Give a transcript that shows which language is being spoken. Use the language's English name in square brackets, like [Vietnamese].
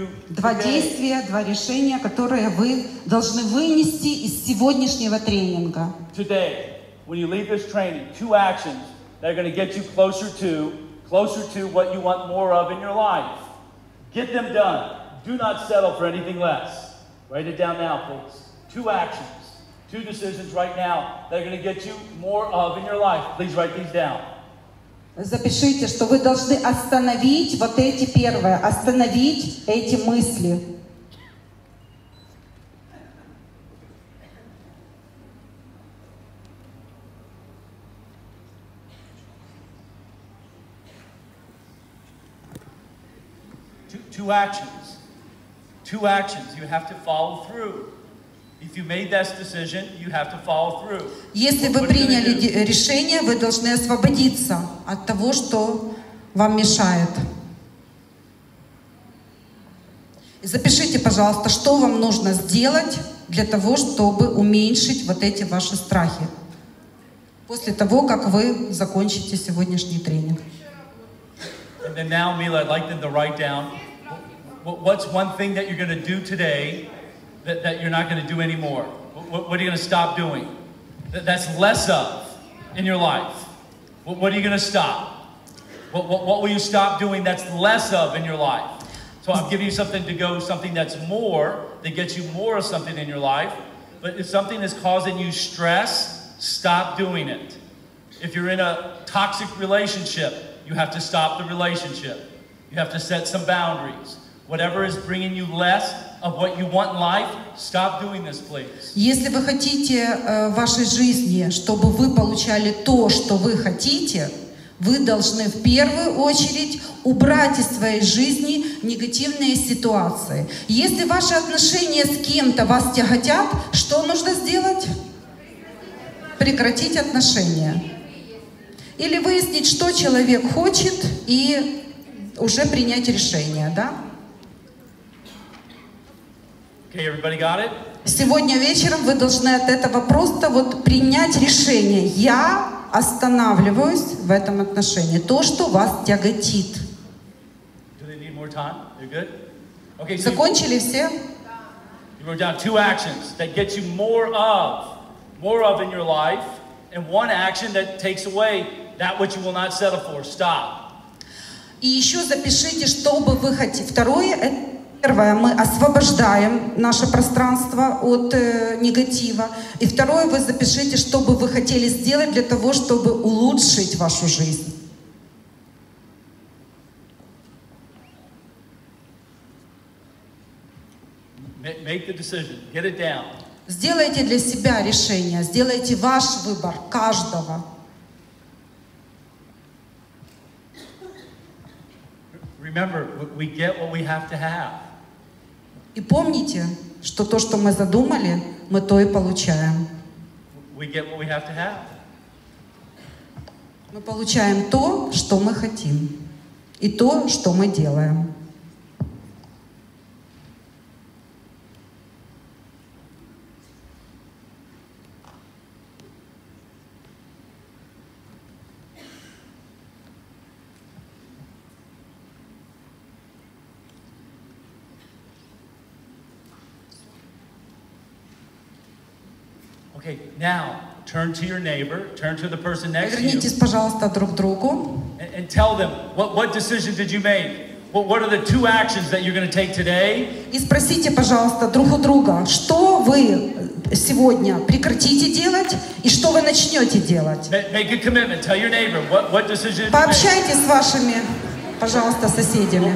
[Russian] Два действия, два решения, которые вы должны вынести из сегодняшнего тренинга. [English] Today, when you leave this training, two actions that are going to get you closer to what you want more of in your life. Get them done. Do not settle for anything less. Write it down now, folks. Two actions, two decisions right now that are going to get you more of in your life. Please write these down. [Russian] Запишите, что вы должны остановить вот эти первые, остановить эти мысли. [English] Two actions. Two actions. You have to follow through. If you made that decision, you have to follow through. [Russian] Если вы приняли решение, вы должны освободиться от того, что вам мешает. Запишите, пожалуйста, что вам нужно сделать для того, чтобы уменьшить вот эти ваши страхи после того, как вы закончите сегодняшний тренинг. [English] And then now, Mila, I'd like them to write down what's one thing that you're going to do today that you're not going to do anymore. What are you going to stop doing? That's less of in your life. What are you going to stop? What will you stop doing that's less of in your life? So I'm giving you something to go, something that's more, that gets you more of something in your life. But if something is causing you stress, stop doing it. If you're in a toxic relationship, you have to stop the relationship. You have to set some boundaries. Whatever is bringing you less of what you want in life, stop doing this, please. [Russian] Если вы хотите в вашей жизни, чтобы вы получали то, что вы хотите, вы должны в первую очередь убрать из своей жизни негативные ситуации. Если ваши отношения с кем-то вас тяготят, что нужно сделать? Прекратить отношения. Или выяснить, что человек хочет, и уже принять решение, да? [English] Okay, everybody got it? [Russian] Сегодня вечером вы должны от этого просто вот принять решение. Я останавливаюсь в этом отношении. То, что вас тяготит. [English] Do they need more time? You're good? Okay, so [Russian] закончили все? [English] You wrote down two actions that get you more of in your life, and one action that takes away That which you will not settle for. Stop. [Russian] И еще запишите, что бы вы хотели. Второе, первое, мы освобождаем наше пространство от негатива. И второе, вы запишите, что бы вы хотели сделать для того, чтобы улучшить вашу жизнь. [English] Make the decision. Get it down. [Russian] Сделайте для себя решение. Сделайте ваш выбор каждого. [English] Remember, we get what we have to have. [Russian] И помните, что то, что мы задумали, мы то и получаем. [English] We get what we have to have. [Russian] Мы получаем то, что мы хотим, и то, что мы делаем. [English] Okay, now turn to your neighbor, turn to the person next to you. [Russian] Повернитесь, пожалуйста, друг к другу. [English] And tell them, what decision did you make? What are the two actions that you're going to take today? [Russian] И спросите, пожалуйста, друг у друга, что вы сегодня прекратите делать и что вы начнете делать? [English] Make a commitment, tell your neighbor, what decision did you make? [Russian] Пообщайтесь с вашими, пожалуйста, соседями.